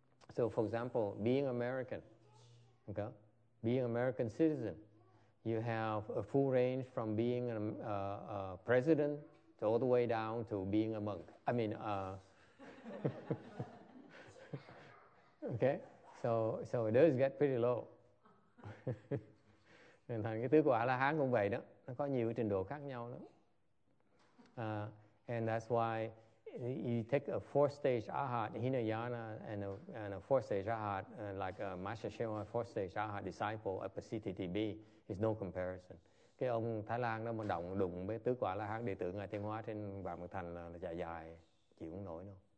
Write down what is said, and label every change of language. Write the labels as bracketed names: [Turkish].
[English] So for example, being American, okay? Being American citizen, you have a full range from being a president to all the way down to being a monk. I mean, okay? So it does get pretty low. [Vietnamese] Nên thành cái tứ quả la hán cũng vậy đó, nó có nhiều trình độ khác nhau lắm. [English] And that's why you take a fourth stage arhat Hinayana and a fourth stage arhat like Master Shema, fourth stage arhat disciple at the CTTB is no comparison. [Vietnamese] Cái ông Thái Lan đó mà động đụng với tứ quả la hán đệ tử ngài Tiên Hóa trên Vạn Mật Thành là dài dài chịu không nổi đâu.